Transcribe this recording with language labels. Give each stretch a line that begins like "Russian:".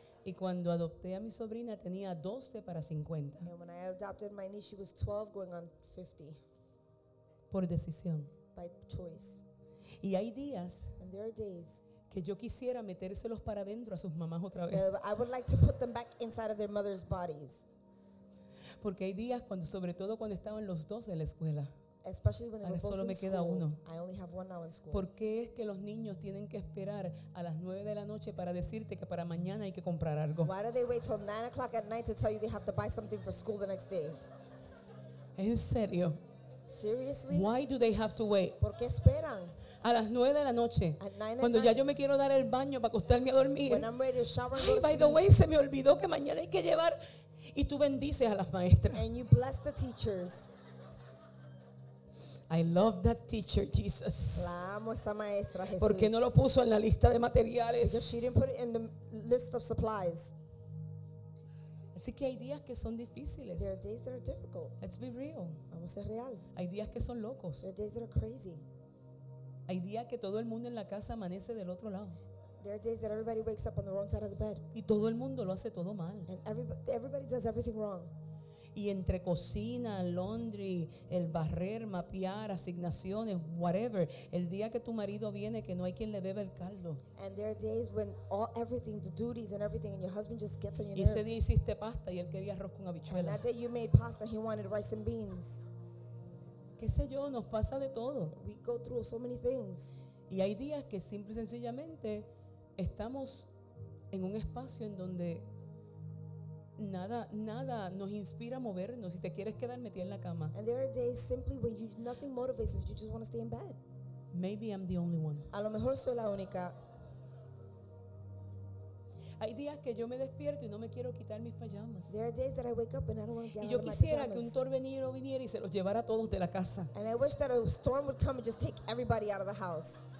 Spanish: Y cuando adopté a mi sobrina tenía 12 para 50.
English: And when I adopted my niece, she was 12 going on 50.
Spanish: Por decisión.
English: By choice.
Spanish: Y hay días,
English: and there are days,
Spanish: que yo quisiera metérselos para adentro a sus mamás otra vez.
English: I would like to put them back inside of their mother's bodies.
Spanish: Porque hay días cuando, sobre todo cuando estaban los dos en la escuela.
English: Especially when
Spanish: ahora
English: both
Spanish: me
English: in
Spanish: queda
English: school,
Spanish: uno.
English: I only have one now in school.
Spanish: ¿Por qué es que los niños tienen que esperar a las 9 de la noche para decirte que para mañana hay que comprar algo?
English: Why do they wait till 9 o'clock at night to tell you they have to buy something for school the next day?
Spanish: ¿En serio?
English: Seriously? Why do they have to wait?
Spanish: ¿Por qué esperan? A las 9 de la noche.
English: At 9
Spanish: cuando
English: at
Spanish: ya
English: night,
Spanish: yo me quiero dar el baño para acostarme a dormir.
English: When I'm ready to shower and go
Spanish: ay,
English: to sleep. By the way,
Spanish: se me olvidó que mañana hay que llevar y tú bendices a las maestras.
English: And you bless the teachers. I love that teacher, Jesus.
Spanish: La amo esa maestra, Jesús. ¿Por qué no lo puso en la lista de materiales?
English: Because she didn't put it in the list of supplies.
Spanish: Así que hay días que son difíciles.
English: There are days that are difficult. Let's be real.
Spanish: Vamos a ser real. Hay días que son locos.
English: There are days that are crazy.
Spanish: Hay días que todo el mundo en la casa amanece del otro lado.
English: There are days that everybody wakes up on the wrong side of the bed.
Spanish: Y todo el mundo lo hace todo mal.
English: And everybody does everything wrong.
Spanish: Y entre cocina, laundry, el barrer, mapear, asignaciones, whatever. El día que tu marido viene, que no hay quien le beba el caldo.
English: And there are days when all everything, the duties and everything, and your husband just gets on your nerves.
Spanish: Y ese día hiciste pasta y él quería arroz con habichuela.
English: And that day you made pasta, he wanted rice and beans.
Spanish: Qué sé yo, nos pasa de todo.
English: We go through so many things.
Spanish: Y hay días que simple y sencillamente estamos en un espacio en donde nada nos inspira a movernos y te quieres quedar metida en la cama.
English: And there are days simply when you, nothing motivates us, you just want to stay in bed. Maybe I'm the only one.
Spanish: A lo mejor soy la única. Hay días que yo me despierto y no me quiero quitar mis pijamas.
English: There are days that I wake up and I don't want to get
Spanish: y yo quisiera que un torbellino viniera y se los llevara a todos de la casa.
English: And I wish that a storm would come and just take everybody out of the house.